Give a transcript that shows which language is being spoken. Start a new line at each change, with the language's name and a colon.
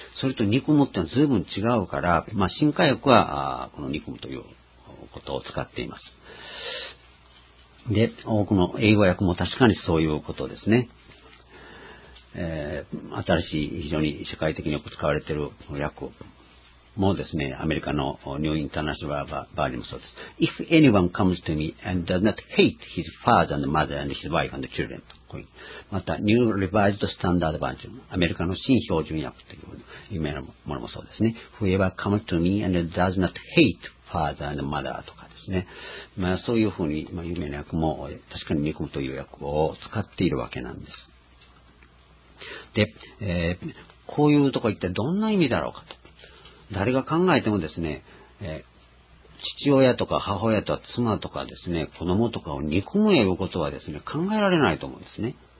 Japanese: それと憎むっていうのは随分違うから、まあ、進化訳はこの憎むということを使っています。で、多くの英語訳も確かにそういうことですね。新しい、非常に社会的によく使われている訳もですね、アメリカのニューインターナショナルバーにもそうです。
English: If anyone comes to me and does not hate his father and mother and his wife and children.
Japanese: また、ニューリバージドスタンダードバージョン、アメリカの新標準訳という有名なものもそうですね。
English: Whoever comes to me and does not hate father and mother
Japanese: とかですね。まあ、そういうふうに、まあ、有名な訳も確かに憎むという訳を使っているわけなんです。で、こういうとこ一体どんな意味だろうかと。誰が考えてもですね、父親とか母親とか妻とかですね、子供とかを憎むいうことはですね、考えられないと思うんですね。